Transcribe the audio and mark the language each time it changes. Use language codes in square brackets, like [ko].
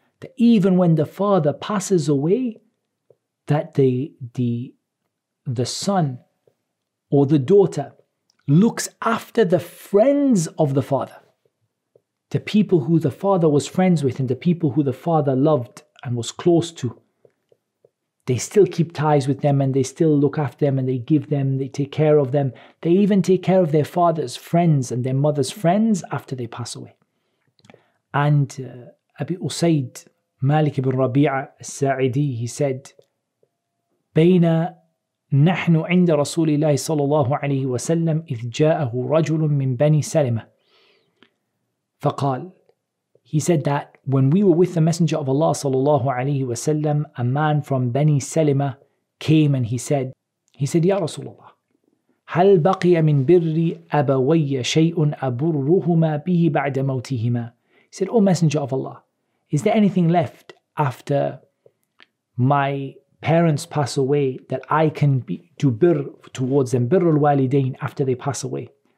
[en] That even when the father passes away, that the son or the daughter looks after the friends of the father, the people who the father was friends with and the people who the father loved and was close to, they still keep ties with them and they still look after them and they give them, they take care of them. They even take care of their father's friends and their mother's friends after they pass away. And Abi Usaid Malik ibn Rabi'a al-Sa'idi, he said, [ar] بَيْنَا نَحْنُ عِنْدَ رَسُولِ اللَّهِ صَلَى اللَّهُ عَلَيْهِ وَسَلَّمْ إِذْ جَاءَهُ رَجُلٌ مِّنْ بَنِي سَلِمَةِ فَقَالْ. [en] He said that when we were with the Messenger of Allah صلى الله عليه وسلم, a man from Bani Salima came and he said, [ar] يَا رَسُولَ اللَّهِ هَلْ بَقِيَ مِنْ بِرِّ أَبَوَيَّ شَيْءٌ أَبُرُّهُمَا بِهِ بَعْدَ مَوْتِهِمَا. [en] He said, O Messenger of Allah, is there anything left after my parents pass away that I can do birr towards them, birr al-walidain, after they pass away?